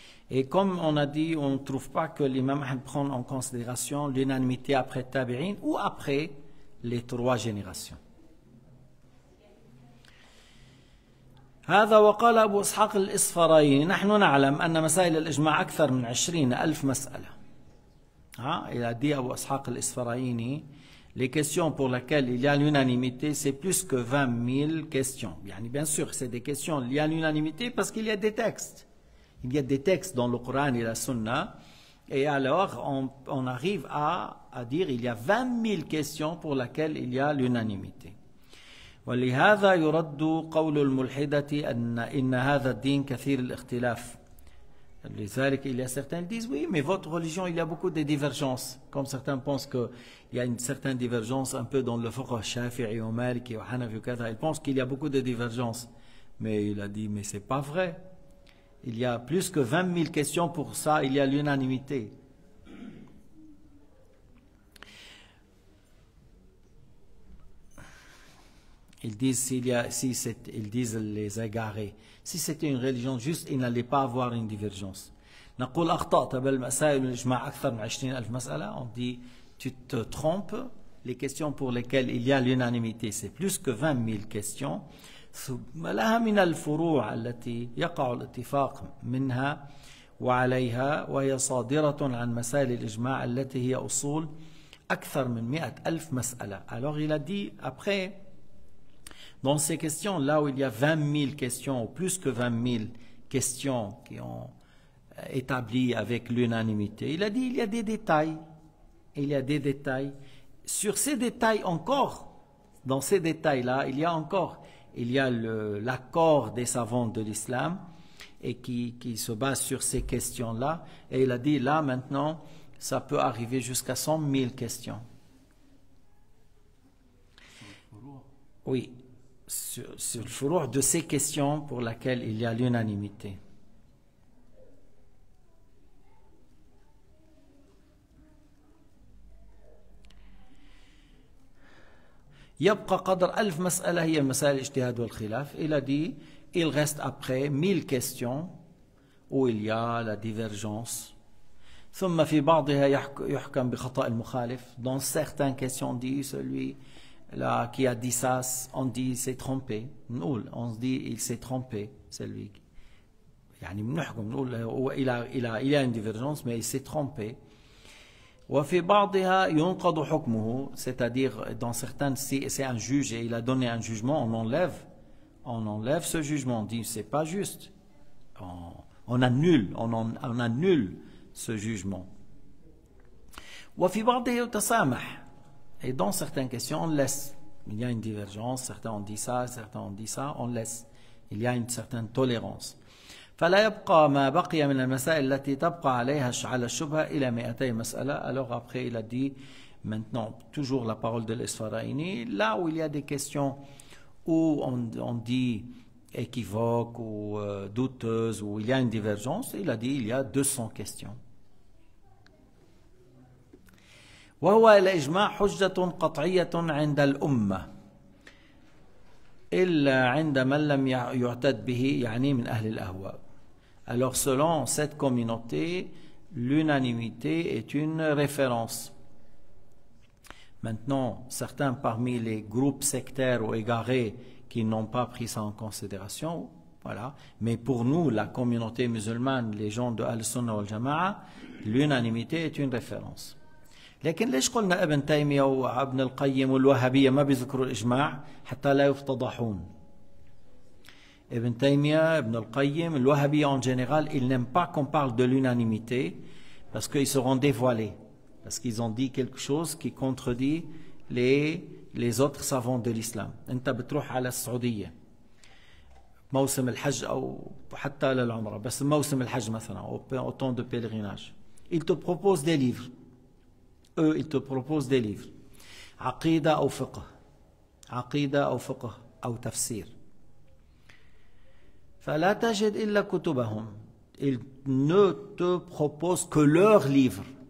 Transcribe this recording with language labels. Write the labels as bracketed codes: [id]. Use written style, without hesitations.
[fr] Et comme on a dit, on ne trouve pas que l'imam prend en considération l'unanimité après Tabi'in ou après les trois générations. [ar] هذا وقال أبو إسحاق الإصفرايني نحن نعلم أن مسائل الإجماع أكثر من 20,000 مسألة. ها إلى دي [fr] أبو إسحاق الإصفرايني les questions pour lesquelles il y a l'unanimité c'est plus que 20,000 questions. [ar] يعني [fr] bien sûr c'est des questions il y a l'unanimité parce qu'il y a des textes. Il y a des textes dans le Coran et la Sunna et alors on arrive à dire il y a 20,000 questions pour lesquelles il y a l'unanimité. [ar] ولهذا يرد قول الملحدة أن هذا الدين كثير الاختلاف. لذلك [fr] il y a certains qui disent oui mais votre religion il y a beaucoup de divergences. Comme certains pensent que il y a une certaine divergence un peu dans le fiqh Shafi'i ou Maliki ou Hanafi ou [ar] كذا. [fr] Ils pensent qu'il y a beaucoup de divergences. Mais il a dit mais c'est pas vrai. Il y a plus que 20,000 questions pour ça il y a l'unanimité. Ils disent s'il y a, si c'est, ils disent les égarés. Si c'était une religion juste, ils n'allaient pas avoir une divergence. [ar] نقول أخطأت بالمسائل الإجماع أكثر من 20,000 مسألة. [fr] On dit, tu te trompes. Les questions pour lesquelles il y a l'unanimité, c'est plus que 20,000 questions. [ar] ثم لها من الفروع التي يقع الاتفاق منها وعليها وهي صادرة عن مسائل الإجماع التي هي أصول أكثر من 100,000 مسألة. [fr] Alors il a dit après. Dans ces questions, là où il y a 20,000 questions, ou plus que 20,000 questions qui ont établi avec l'unanimité. Il a dit, il y a des détails. Il y a des détails. Sur ces détails encore, dans ces détails-là, il y a encore, il y a l'accord des savants de l'islam et qui se base sur ces questions-là. Et il a dit, là, maintenant, ça peut arriver jusqu'à 100 000 questions. Oui, sur le furu' de ces questions pour lesquelles il y a l'unanimité. [ar] يبقى قدر ألف مسألة هي مسائل الاجتهاد والخلاف. [fr] Il a dit, il reste après 1000 questions où il y a la divergence. [ar] ثم في بعضها يحكم بخطأ المخالف. [fr] Dans certaines questions, on dit celui là qui a dit ça, on dit s'est trompé. [ar] نقول, [fr] on se dit il s'est trompé, celui. [ar] يعني بنحكم نقول [fr] il a une divergence, mais il s'est trompé. [ar] وفي بعضها ينقض حكمه, [fr] c'est-à-dire dans certains, si c'est un juge et il a donné un jugement, on enlève ce jugement, on dit c'est pas juste, on annule ce jugement. [ar] وفي بعضها يتسامح, [fr] et dans certaines questions on laisse, il y a une divergence, certains ont dit ça, on laisse, il y a une certaine tolérance. [ar] فلا يبقى ما بقي من المسائل التي تبقى عليها على الشبهة إلى 200 مسألة. [fr] Alors après il a dit maintenant toujours la parole de l'Isfaraini, là où il y a des questions où on dit équivoque ou douteuse ou il y a une divergence, il a dit il y a 200 questions. [ar] وهو الإجماع حجة قطعية عند الأمة إلا عند من لم يعتد به, يعني من أهل الأهواء. [fr] Alors, selon cette communauté, l'unanimité est une référence. Maintenant, certains parmi les groupes sectaires ou égarés qui n'ont pas pris ça en considération, voilà. Mais pour nous, la communauté musulmane, les gens de Al-Sunnah wal-Jama'a, l'unanimité est une référence. [ar] لكن ليش قلنا ابن تيمية وابن القيم والوهابية ما بيذكروا الإجماع حتى لا يفتضحون؟ [fr] Ibn Taymiyyah, Ibn al-Qayyim, l'Wahhabiyya en général, ils n'aiment pas qu'on parle de l'unanimité parce qu'ils seront dévoilés, parce qu'ils ont dit quelque chose qui contredit les autres savants de l'islam. [ar] انت بتروح على السعودية موسم الحج أو حتى للعمرة بس موسم الحج مثلا أو [fr] au temps de pèlerinage. Ils te proposent des livres. Eux, ils te proposent des livres. [ar] عقيدة أو فقه. عقيدة أو فقه أو تفسير. فلا تجد إلا كتبهم. [fr] Ils ne te proposent que leurs livres.